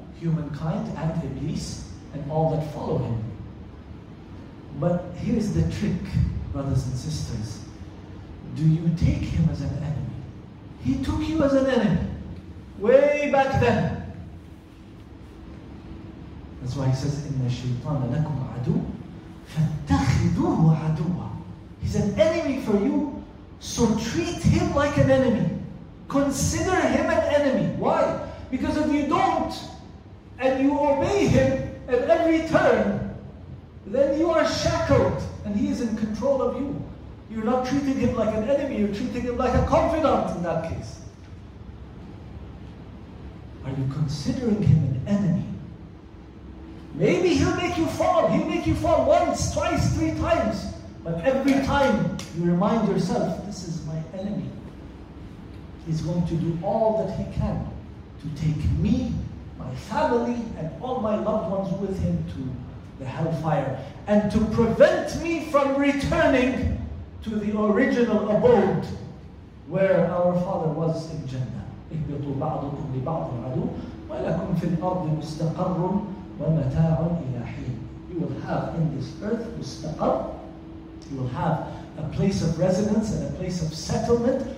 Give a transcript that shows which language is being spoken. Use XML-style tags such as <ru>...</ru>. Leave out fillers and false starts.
<en>Humankind and Iblis and all that follow him. But here is the trick, brothers and sisters. Do you take him as an enemy? He took you as an enemy way back then. That's why he says,</en> <ar>إِنَّ الشَّيْطَانَ لَكُمْ عَدُوٌ فَاتَّخِذُوهُ عَدُوًا.</ar> <en>He's an enemy for you, so treat him like an enemy. Consider him an enemy. Why? Because if you don't, and you obey him at every turn, then you are shackled, and he is in control of you. You're not treating him like an enemy, you're treating him like a confidant in that case. Are you considering him an enemy? Maybe he'll make you fall. He'll make you fall once, twice, three times. But every time you remind yourself, this is my enemy. He's going to do all that he can to take me, my family, and all my loved ones with him to the hellfire, and to prevent me from returning to the original abode where our father was in Jannah.</en> <ar>اهبطوا بعضكم لبعض عدو ولكم في الأرض مستقر ومتاع إلى حين.</ar> <en>You will have in this earth مستقر. You will have a place of residence and a place of settlement.</en>